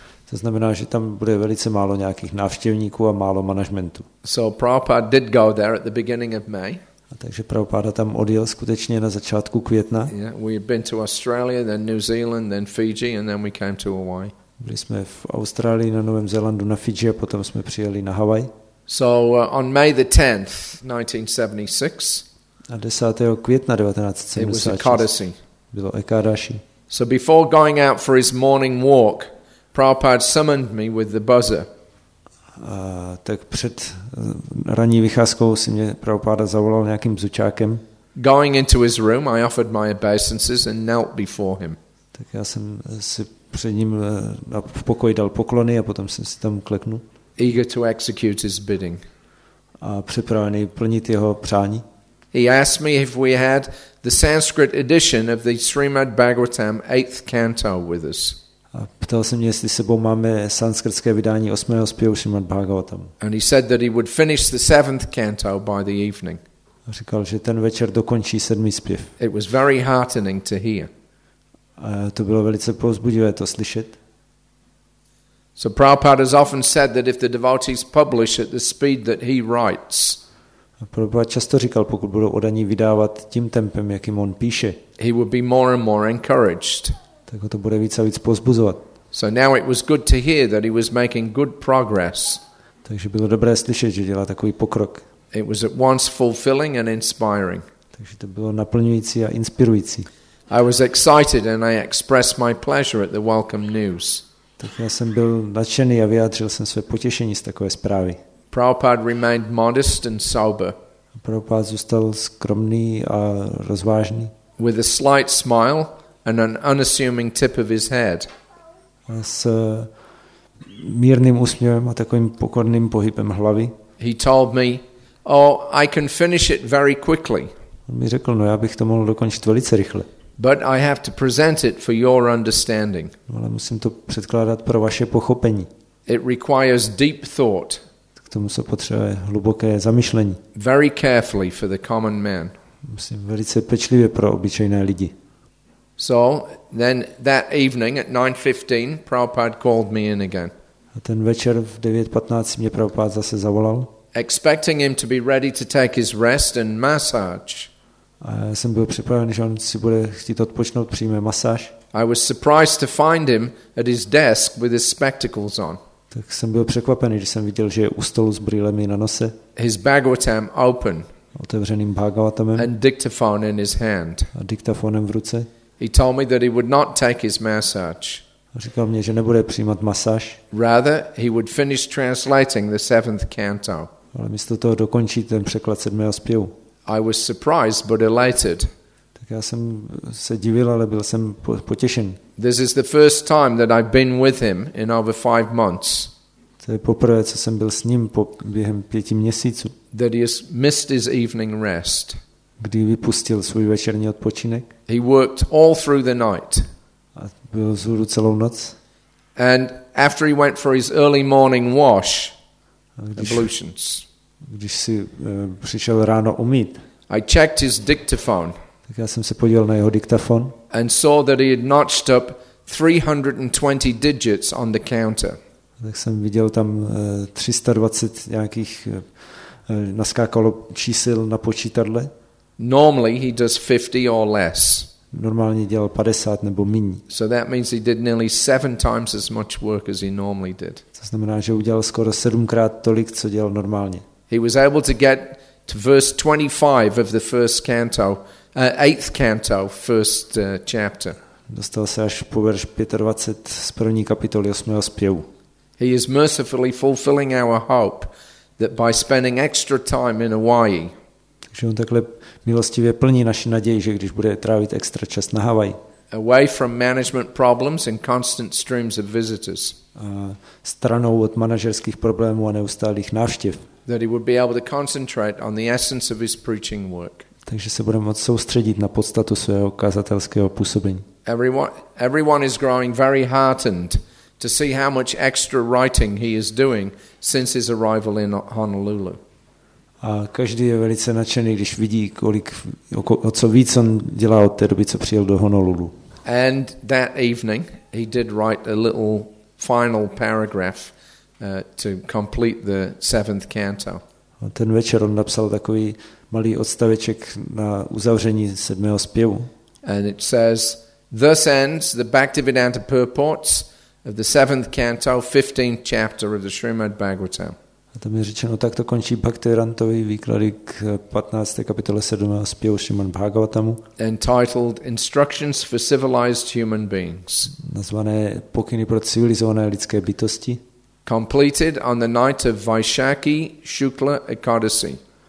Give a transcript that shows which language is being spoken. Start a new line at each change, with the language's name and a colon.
Czech: To znamená, že tam bude velice málo nějakých návštěvníků a málo managementu.
English: So Prabhupada did go there at the beginning of May.
Czech: A takže Prabhupada tam odjel skutečně na začátku května.
English: Yeah, we had been to Australia, then New Zealand, then Fiji, and then we came to Hawaii.
Czech: Byli jsme v Austrálii, na Novém Zélandu, na Fiji a potom jsme přijeli na Hawaii.
English: So on May the 10th, 1976.
Czech: A 10. května 1976. Bylo ekadashi.
English: So before going out for his morning walk, Prabhupada summoned me with the buzzer.
Czech: Tak před ranní vycházkou si mě Prabhupada zavolal nějakým bzučákem.
English: Going into his room, I offered my obeisances and knelt before him.
Czech: Tak já jsem si před ním v pokoji dal poklony a potom jsem si tam kleknul.
English: Eager to execute his bidding.
Czech: A připravený plnit jeho přání.
English: He asked me if we had the Sanskrit edition of the Srimad Bhagavatam 8th canto with us.
Czech: A ptal se mě, jestli s sebou máme sanskritské vydání 8. zpěvu Srimad Bhagavatam.
English: And he said that he would finish the 7th canto by the evening.
Czech: A říkal, že ten večer dokončí 7. zpěv.
English: It was very heartening to hear.
Czech: To bylo velice povzbudivé to slyšet.
English: So Prabhupada has often said that if the devotees publish at the speed that he writes,
Czech: Prabhupada často říkal, pokud budou odaní vydávat tím tempem, jakým on píše,
English: he would be more and more encouraged.
Czech: Tak ho to bude víc a víc povzbuzovat.
English: So now it was good to hear that he was making good progress.
Czech: Takže bylo dobré slyšet, že dělá takový pokrok.
English: It was at once fulfilling and inspiring.
Czech: Takže to bylo naplňující a inspirující.
English: I was excited and I expressed my pleasure at the welcome news.
Czech: Tak já jsem byl nadšený a vyjádřil jsem své potěšení z takové zprávy.
English: Prabhupada remained modest and sober.
Czech: Prabhupada zůstal skromný a rozvážný.
English: With a slight smile and an unassuming tip of his head.
Czech: A s mírným úsměvem a takovým pokorným pohybem hlavy.
English: He told me, "Oh, I can finish it very quickly."
Czech: On mi řekl, no já bych to mohl dokončit velice rychle.
English: But I have to present it for your understanding.
Czech: Ale musím to předkládat pro vaše pochopení.
English: It requires deep thought.
Czech: K tomu se potřebuje hluboké zamyšlení.
English: Very carefully for the common man.
Czech: Musím velice pečlivě pro obyčejné lidi.
English: So then that evening at 9:15, Prabhupada called me in again.
Czech: A ten večer v 9:15 mě Prabhupada zase zavolal.
English: Expecting him to be ready to take his rest and massage.
Czech: A já jsem byl připraven, že on si bude chtít odpočnout, přijme masáž.
English: I was surprised to find him at his desk with his spectacles on.
Czech: Tak jsem byl překvapený, že jsem viděl, že je u stolu s brýlemi na nose.
English: His Bhagavatam open.
Czech: Otevřeným Bhagavatamem.
English: And dictaphone in his hand.
Czech: A diktafonem v ruce.
English: He told me that he would not take his massage.
Czech: A říkal mě, že nebude přijímat masáž.
English: Rather, he would finish translating the 7th canto.
Czech: Ale místo toho dokončí ten překlad 7. zpěvu.
English: I was surprised but elated.
Czech: Tak já jsem se divil, ale byl jsem potěšen.
English: This is the first time that I've been with him in over 5 months.
Czech: To je poprvé, co jsem byl s ním během 5 měsíců.
English: That he has missed his evening rest.
Czech: Kdy vypustil svůj večerní odpočinek.
English: He worked all through the night.
Czech: A byl vzhůru celou noc.
English: And after he went for his early morning wash, ablutions.
Czech: Když si přišel ráno umýt.
English: I checked his dictaphone.
Czech: Tak já jsem se podíval na jeho diktafon.
English: And saw that he had notched up 320 digits on the counter.
Czech: Tak jsem viděl tam 320 nějakých naskákalo čísel na počítadle.
English: Normally he does 50 or less.
Czech: normálně dělal 50 nebo míň.
English: So that means he did nearly 7 times as much work as he normally did.
Czech: To znamená, že udělal skoro 7krát tolik, co dělal normálně.
English: He was able to get to verse 25 of the first canto, 8th canto, first chapter.
Czech: Dostal se až po verš 25 z první kapitoly 8. zpěvu.
English: He is mercifully fulfilling our hope that by spending extra time in Hawaii.
Czech: Takže on takhle milostivě plní naši naději, že když bude trávit extra čas na Havaji.
English: Away from management problems and constant streams of visitors.
Czech: Stranou od manažerských problémů a neustálých návštěv.
English: That he would be able to concentrate on the essence of his preaching work.
Czech: Takže se bude moct soustředit na podstatu svého kazatelského působení.
English: Everyone is growing very heartened to see how much extra writing he is doing since his arrival in Honolulu.
Czech: A každý je velice nadšený, když vidí, kolik, o co víc on dělá od té doby, co přijel do Honolulu.
English: And that evening he did write a little final paragraph to complete the seventh canto.
Czech: A ten večer on napsal takový malý odstaveček na uzavření 7. zpěvu.
English: And it says, thus ends the Bhaktivedanta purports of the seventh canto, 15th chapter of the Srimad Bhagavatam.
Czech: A tam je řečeno, tak to končí Bhaktivedantovi výklady k 15. kapitole 7. zpěvu Srimad Bhagavatamu.
English: Entitled Instructions for Civilized Human Beings.
Czech: Nazvané pokyny pro civilizované lidské bytosti.
English: Completed on the night of Vaishakhi Shukla Ekadasi.